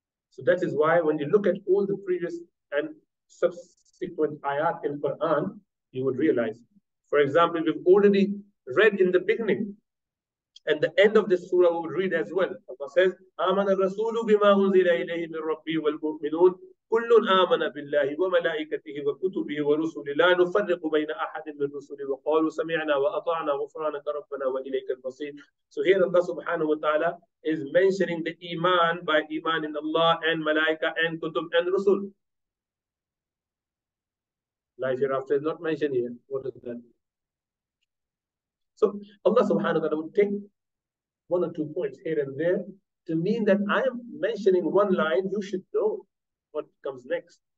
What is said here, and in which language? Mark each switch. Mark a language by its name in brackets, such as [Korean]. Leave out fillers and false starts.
[English] So that is why when you look at all the previous and subsequent ayat in Quran, you would realize. For example, we've already read in the beginning and the end of this surah, we would read as well. Allah says, [Arabic] "Amana Rasulu bima unzila ilayhi min Rabbi wal mu'minun." كل آمن بالله وملائكته وكتبه ورسله لا نفرق بين أحد من رسله وقالوا سمعنا وأطعنا غفرانك ربنا وإليك المصير. [English] So here Allah subhanahu wa ta'ala is mentioning the iman by iman in Allah and malaika and kutub and rusul. Life hereafter is not mentioned here. What is that? So Allah subhanahu wa ta'ala would take one or two points here and there to mean that I am mentioning one line, you should know what comes next.